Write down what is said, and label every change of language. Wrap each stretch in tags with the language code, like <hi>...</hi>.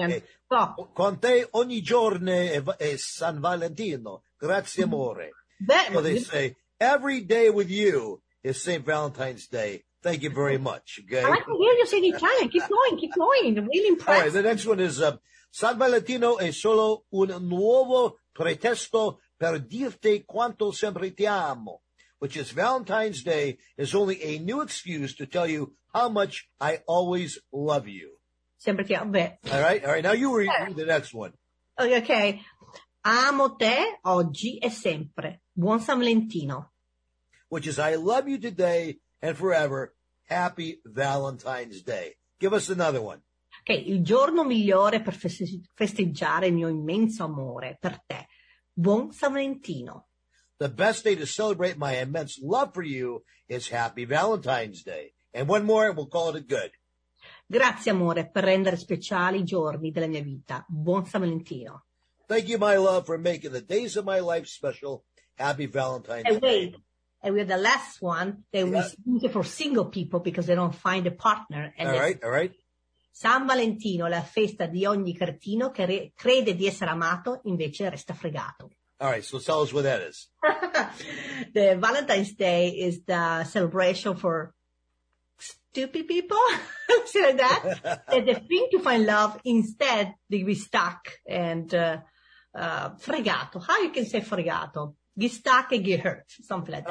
<it>Okay. Con te ogni giorno è San Valentino. Grazie amore.</it> <en>So they say, every day with you is St. Valentine's Day. Thank you very much. Okay? I can hear you say in Italian. Keep going. I'm really impressed. All right, the next one is San Valentino è solo un nuovo pretesto per dirti quanto sempre ti amo, which is Valentine's Day is only a new excuse to tell you how much I always love you.</en> <it>sempre ti amo. Beh.</it> <en>All right. Now you read the next one.</en> <it>Okay. Amo te oggi e sempre. Buon San Valentino.</it> <en>Which is, I love you today and forever. Happy Valentine's Day. Give us another one. Okay.</en> <it>Il giorno migliore per festeggiare il mio immenso amore per te. Buon San Valentino.</it> <en>The best day to celebrate my immense love for you is Happy Valentine's Day. And one more and we'll call it a good.</en> <it>Grazie, amore, per rendere speciali i giorni della mia vita. Buon San Valentino.</it> <en>Thank you, my love, for making the days of my life special. Happy Valentine's Day. Wait. And we have the last one that we use for single people because they don't find a partner. And All right.</en> <it>San Valentino, la festa di ogni cretino che crede di essere amato, invece resta fregato.</it> <en>All right, so tell us what that is. The Valentine's Day is the celebration for stupid people, say like that. That they think to find love, instead they be stuck and fregato. How you can say fregato? Get stuck and get hurt, something like that.</en>